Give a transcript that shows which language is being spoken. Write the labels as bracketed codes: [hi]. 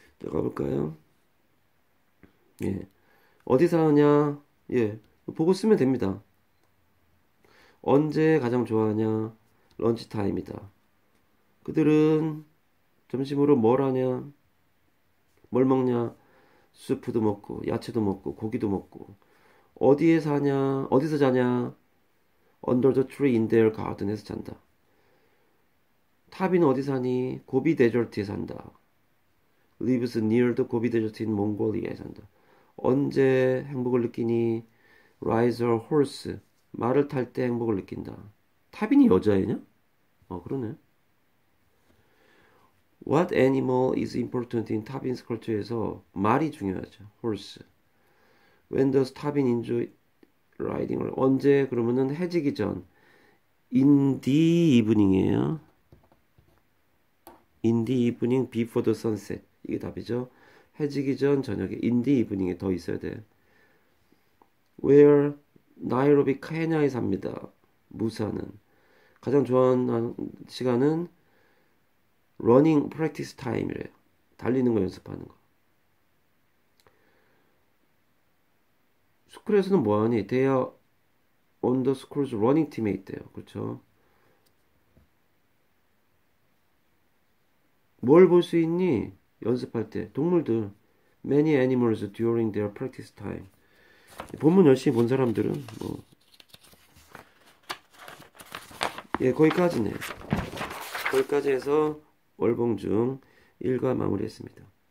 [ko] 가볼까요? 예. 어디 사느냐? 예. 보고 쓰면 됩니다. 언제 가장 좋아하냐? 런치 타임이다. 그들은 점심으로 뭘 하냐? 뭘 먹냐? 수프도 먹고, 야채도 먹고, 고기도 먹고. 어디에 사냐? 어디서 자냐? [en] Under the tree in their garden [ko] 에서 잔다. 타비는 어디 사니? 고비 데저트에 산다. [en] Lives near the 고비 데저트 in Mongolia [ko] 에 산다. 언제 행복을 느끼니? [en] Rise a horse. [ko] 말을 탈때 행복을 느낀다. 타빈이 여자애냐? 그러네. [en] What animal is important in 타빈's culture [ko] 에서 말이 중요하죠. [en] Horse. When does 타빈 enjoy riding? [ko] 언제? 그러면은 해지기 전. [en] In the evening이에요. In the evening before the sunset. [ko] 이게 답이죠. 해지기 전 저녁에 인디 이브닝에 더 있어야 돼. Where 나이로비 케냐에 삽니다. 무사는 가장 좋아하는 시간은 러닝 프랙티스 타임이래요. 달리는 거 연습하는 거. 스쿨에서는 뭐 하니? [en] They are on the school's running team [ko] 에 있대요. 그렇죠? 뭘볼수 있니? 연습할 때 동물들. [en] Many animals during their practice time. [ko] 본문 열심히 본 사람들은 뭐. 예, 거기까지네. 거기까지 해서 월봉 중 1과 마무리했습니다.